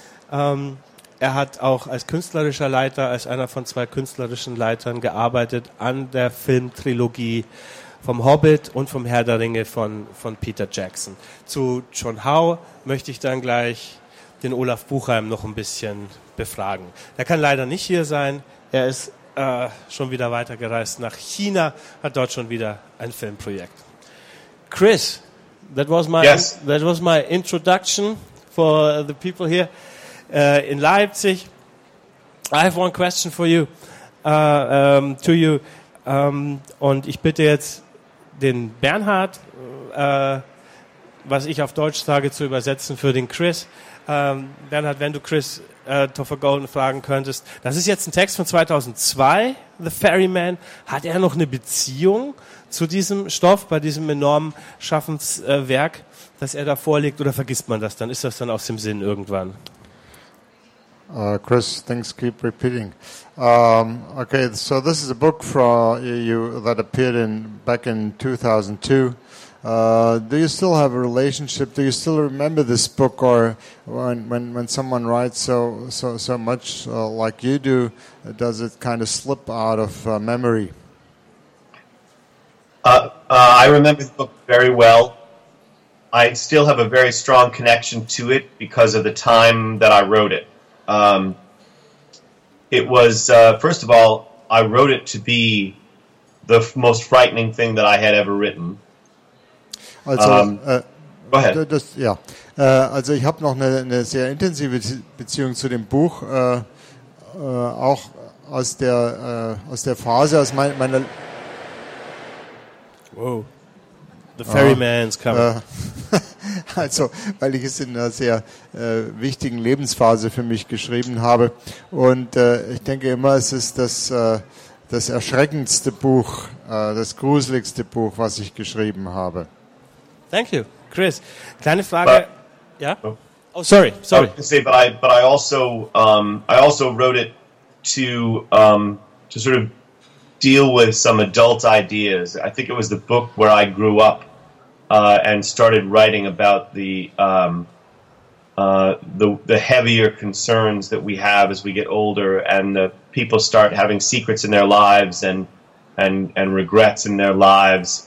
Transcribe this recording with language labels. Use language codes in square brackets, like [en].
[de] Er hat auch als einer von zwei künstlerischen Leitern gearbeitet an der Filmtrilogie vom Hobbit und vom Herr der Ringe von Peter Jackson. Zu John Howe möchte ich dann gleich den Olaf Buchheim noch ein bisschen befragen. Er kann leider nicht hier sein. Er ist schon wieder weitergereist nach China, hat dort schon wieder ein Filmprojekt. [en] Chris, that was my introduction for the people here. In Leipzig, I have one question for you, to you, [de] und ich bitte jetzt den Bernhard, was ich auf Deutsch sage, zu übersetzen für den Chris. Bernhard, wenn du Chris Topher Golden fragen könntest, das ist jetzt ein Text von 2002, The Ferryman, hat er noch eine Beziehung zu diesem Stoff, bei diesem enormen Schaffenswerk, das er da vorlegt, oder vergisst man das, dann ist das dann aus dem Sinn irgendwann? [en] Chris, things keep repeating. Okay, so this is a book from you that appeared back in 2002. Do you still have a relationship? Do you still remember this book, or when someone writes so much like you do, does it kind of slip out of memory? I remember the book very well. I still have a very strong connection to it because of the time that I wrote it. It was, first of all, I wrote it to be the most frightening thing that I had ever written. Go ahead. [de] Also ich habe noch eine sehr intensive Beziehung zu dem Buch, auch aus der Phase, aus meiner... [en] Wow. The Ferryman's coming. [de] Also, weil ich es in einer sehr wichtigen Lebensphase für mich geschrieben habe. Und ich denke immer, es ist das erschreckendste Buch, das gruseligste Buch, was ich geschrieben habe. [en] Thank you, Chris. [de] Kleine Frage. Ja? [en] Yeah? Oh, sorry. I also wrote it to sort of deal with some adult ideas. I think it was the book where I grew up. and started writing about the heavier concerns that we have as we get older, and the people start having secrets in their lives and regrets in their lives.